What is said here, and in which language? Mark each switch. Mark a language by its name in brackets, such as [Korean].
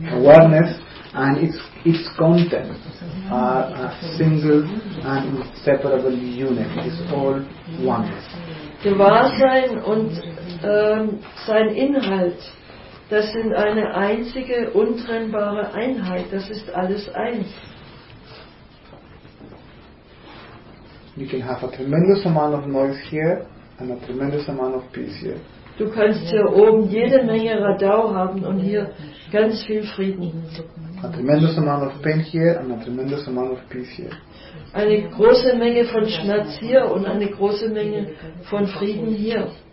[English] Awareness and its content are a single and inseparable unit. It's all oneness. [German] Gewahrsein und sein Inhalt, das sind eine einzige untrennbare Einheit. Das ist alles eins. [English] You can have a tremendous amount of noise here and a tremendous amount of peace here. [German] Du kannst hier oben jede Menge Radau haben und hier ganz viel Frieden. [English] A tremendous amount of pain here and a tremendous amount of peace here. [German] Eine große Menge von Schmerz hier und eine große Menge von Frieden hier.